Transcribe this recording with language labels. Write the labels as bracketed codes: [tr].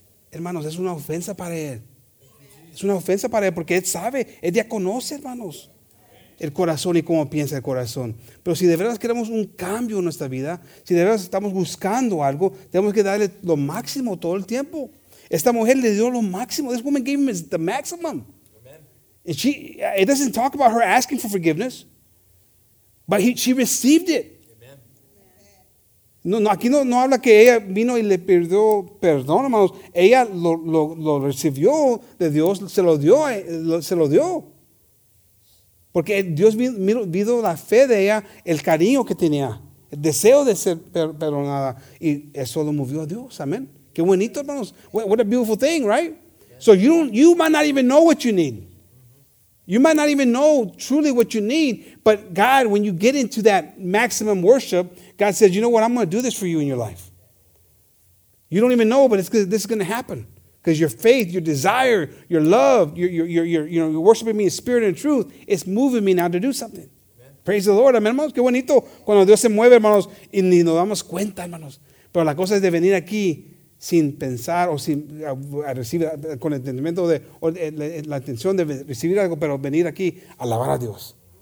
[es] Hermanos, es una ofensa para Él. Es una ofensa para Él porque Él sabe, Él ya conoce, hermanos, el corazón y cómo piensa el corazón. Pero si de verdad queremos un cambio en nuestra vida, si de verdad estamos buscando algo, tenemos que darle lo máximo todo el tiempo. Esta mujer le dio lo máximo. [en] This woman gave him the maximum. And it doesn't talk about her asking for forgiveness, but she received it. [es] No, aquí no habla que ella vino y le pidió perdón, hermanos. Ella lo recibió de Dios, se lo dio. Porque Dios vino la fe de ella, el cariño que tenía, el deseo de ser perdonada. Y eso lo movió a Dios, amén. Qué bonito, hermanos. [en] What a beautiful thing, right? So you might not even know what you need. You might not even know truly what you need. But God, when you get into that maximum worship, God says, you know what, I'm going to do this for you in your life. You don't even know, but this is going to happen. Because your faith, your desire, your love, you're worshiping me in spirit and truth, it's moving me now to do something. Amen. Praise the Lord. [es] Amen, hermanos. Qué bonito cuando Dios se mueve, hermanos, y ni nos damos cuenta, hermanos. Pero la cosa es de venir aquí sin pensar o sin recibir, con el entendimiento de, o la intención de recibir algo, pero venir aquí a alabar a Dios.